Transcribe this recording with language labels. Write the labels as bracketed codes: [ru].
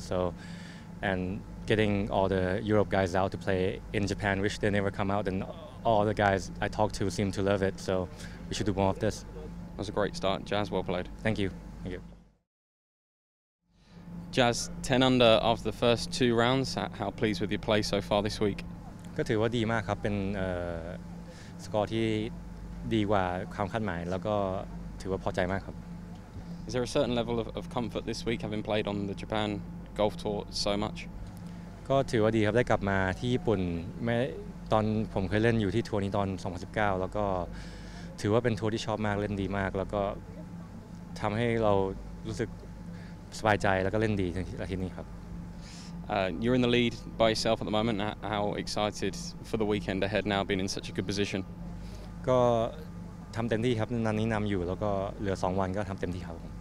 [en] So, and getting all the Europe guys out to play in Japan, wish they never come out, and all the guys I talked to seem to love it, so we should do more of this. That was a great start, Jazz, well played. Thank you. Jazz, 10 under after the first two rounds. How pleased with your play so far this week? Good to what do you mark up in score [th] ที่ดีกว่าความคาดหมายแล้วก็ถือว่าพอใจมากครับ [en] Is there a certain level of comfort this week having played on the Japan Golf Tour so much? [th] ก็ถือว่าดีครับได้กลับมาที่ญี่ปุ่นไม่ตอนผมเคยเล่นอยู่ที่ทัวร์นี้ตอน2019แล้วก็ถือว่าเป็นทัวร์ที่ชอบมากเล่นดีมากแล้วก็ทําให้เรารู้สึกสบายใจแล้วก็เล่นดีที่นี่ครับ [en] You're in the lead by yourself at the moment. How excited for the weekend ahead now being in such a good position? [th] ก็ทําเต็มที่ครับนั้นนี้นําอยู่แล้วก็เหลือ2วันก็ทําเต็มที่ครับ